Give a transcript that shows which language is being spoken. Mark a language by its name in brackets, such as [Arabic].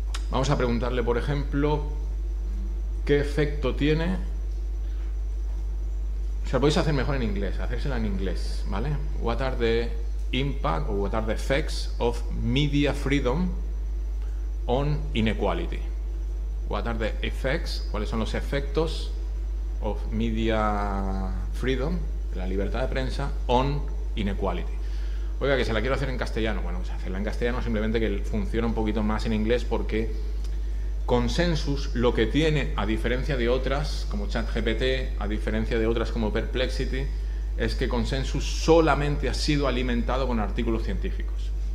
[Spanish] Vamos a preguntarle, por ejemplo, ¿qué efecto tiene? O sea, lo podéis hacer mejor en inglés, hacérsela en inglés, ¿vale? [English] What are the impact or what are the effects of media freedom on inequality? What are the effects? [Spanish] ¿Cuáles son los efectos [English] of media freedom, [Spanish] la libertad de prensa, [English] on inequality? [Spanish] Oiga, que se la quiero hacer en castellano. Bueno, pues hacerla en castellano, simplemente que funcione un poquito más en inglés, porque Consensus lo que tiene, a diferencia de otras como ChatGPT, a diferencia de otras como Perplexity, es que Consensus solamente ha sido alimentado con artículos científicos.